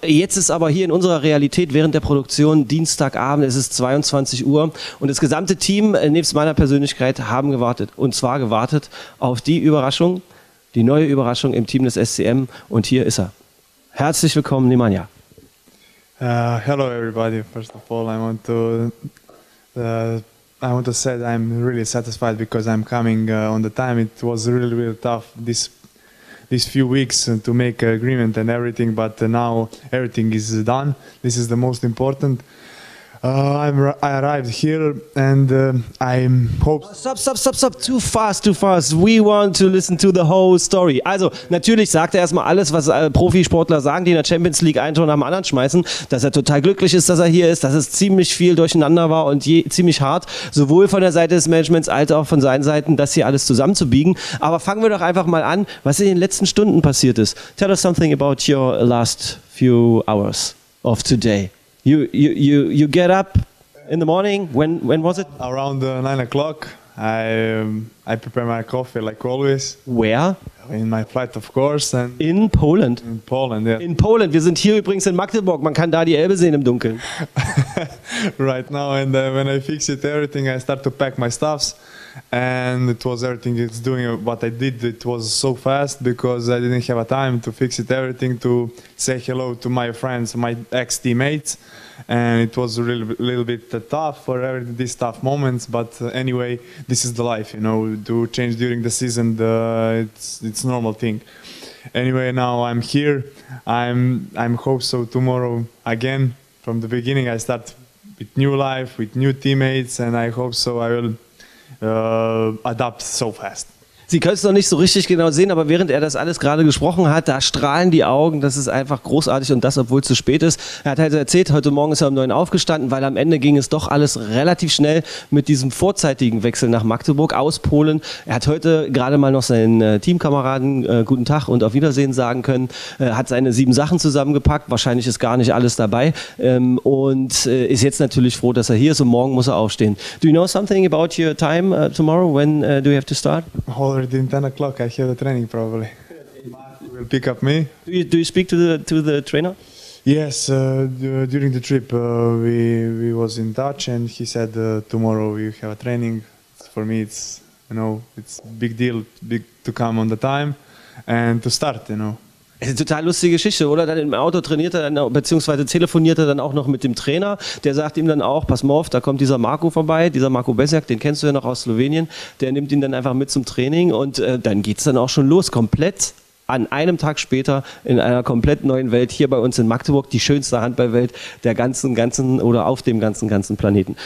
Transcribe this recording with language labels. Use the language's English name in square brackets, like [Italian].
[German] Jetzt ist aber hier in unserer Realität während der Produktion Dienstagabend. Es ist 22 Uhr und das gesamte Team nebst meiner Persönlichkeit haben gewartet. Und zwar gewartet auf die Überraschung, die neue Überraschung im Team des SCM. Und hier ist er. Herzlich willkommen, Nemanja. [English] Hello everybody. First of all, I want to say that I'm really satisfied because I'm coming on the time. It was really, really tough these few weeks to make an agreement and everything, but now everything is done. This is the most important. I arrived here and I'm hope. Stop. Too fast. We want to listen to the whole story. [German] Also, natürlich sagt er erstmal alles, was Profisportler sagen, die in der Champions League ein Tor nach dem anderen schmeißen, dass er total glücklich ist, dass er hier ist, dass es ziemlich viel durcheinander war und ziemlich hart, sowohl von der Seite des Managements als auch von seinen Seiten, das hier alles zusammenzubiegen. Aber fangen wir doch einfach mal an, was in den letzten Stunden passiert ist. [English] Tell us something about your last few hours of today. You get up in the morning. When was it? Around 9 o'clock. I prepare my coffee like always. Where? In my flight, of course. And in Poland. In Poland, yeah. In Poland. [German] Wir sind hier übrigens in Magdeburg. Man kann da die Elbe sehen im Dunkeln. [English] Right now, and when I fix it everything, I start to pack my stuffs, and it was everything it's doing what I did. It was so fast because I didn't have a time to fix it everything, to say hello to my friends, my ex-teammates, and it was really a little bit tough for these tough moments. But anyway, this is the life, you know, to change during the season, it's normal thing. Anyway, now I'm here. I'm hope so tomorrow again from the beginning. I start with new life, with new teammates, and I hope so I will adapt so fast. [German] Sie können es noch nicht so richtig genau sehen, aber während er das alles gerade gesprochen hat, da strahlen die Augen, das ist einfach großartig und das, obwohl es zu spät ist. Er hat halt erzählt, heute Morgen ist er um 9 aufgestanden, weil am Ende ging es doch alles relativ schnell mit diesem vorzeitigen Wechsel nach Magdeburg aus Polen. Er hat heute gerade mal noch seinen Teamkameraden guten Tag und auf Wiedersehen sagen können, hat seine 7 Sachen zusammengepackt, wahrscheinlich ist gar nicht alles dabei und ist jetzt natürlich froh, dass er hier ist und morgen muss er aufstehen. [English] Do you know something about your time tomorrow? When do you have to start? Already in 10 o'clock, I hear the training probably. Mark will pick up me. Do you speak to the trainer? Yes, during the trip we was in touch and he said tomorrow you have a training. For me it's, you know, it's big deal, big to come on the time and to start, you know. [German] Das ist eine total lustige Geschichte, oder? Dann im Auto trainiert er, dann, beziehungsweise telefoniert er dann auch noch mit dem Trainer. Der sagt ihm dann auch, pass mal auf, da kommt dieser Marco vorbei, dieser Marco Besiak, den kennst du ja noch aus Slowenien. Der nimmt ihn dann einfach mit zum Training und dann geht es dann auch schon los, komplett an einem Tag später in einer komplett neuen Welt hier bei uns in Magdeburg, die schönste Handballwelt der ganzen oder auf dem ganzen Planeten.